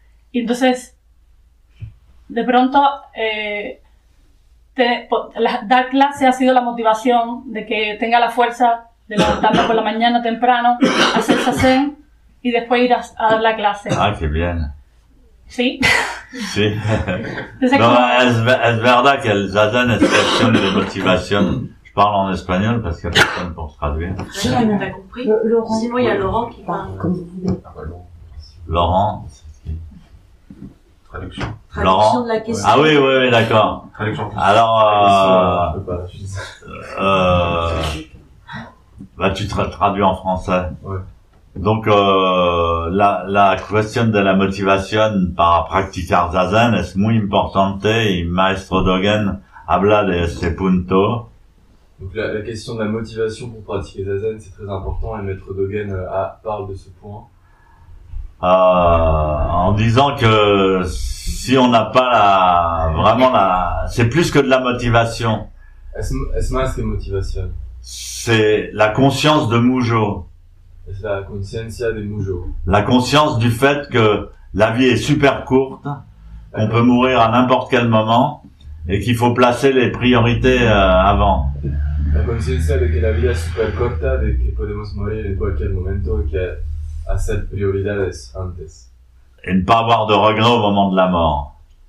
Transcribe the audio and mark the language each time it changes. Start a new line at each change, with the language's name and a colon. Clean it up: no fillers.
Spanish: Y entonces, de pronto, dar clase ha sido la motivación de que tenga la fuerza de levantarme por la mañana temprano, hacer shavasana y después ir a dar la clase. ah, qué bien. ¿Sí? Sí. Entonces, como. No, es verdad que el zazen es cuestión de motivación.
French: Je parle en espagnol parce qu'il n'y a personne pour traduire. Vas-y, Anne, t'as compris? Sinon, il y a Laurent qui parle. Laurent, c'est traduction. Traduction de la question. Ah oui, d'accord. Traduction. Alors, bah, tu traduis en français. Ouais. Donc la question de la motivation
Spanish: para practicar zazen es muy importante y Maestro Dogen habla de ese punto.
French: Donc la question de la motivation pour pratiquer Zazen, c'est très important et Maître Dogen parle de ce point. En disant que si on n'a pas vraiment la, c'est plus que de la motivation. Est-ce
Spanish: más que motivación?
French: C'est la conscience de Mujo.
Spanish: Es la conciencia de Mujo.
French: La conscience du fait que la vie est super courte, qu'on peut D'accord. mourir à n'importe quel moment et qu'il faut placer les priorités avant.
Spanish: La conciencia de que la vida es super corta, de que podemos morir en cualquier momento y que hacer prioridades antes.
French: Et ne pas avoir de regrets au moment de la mort.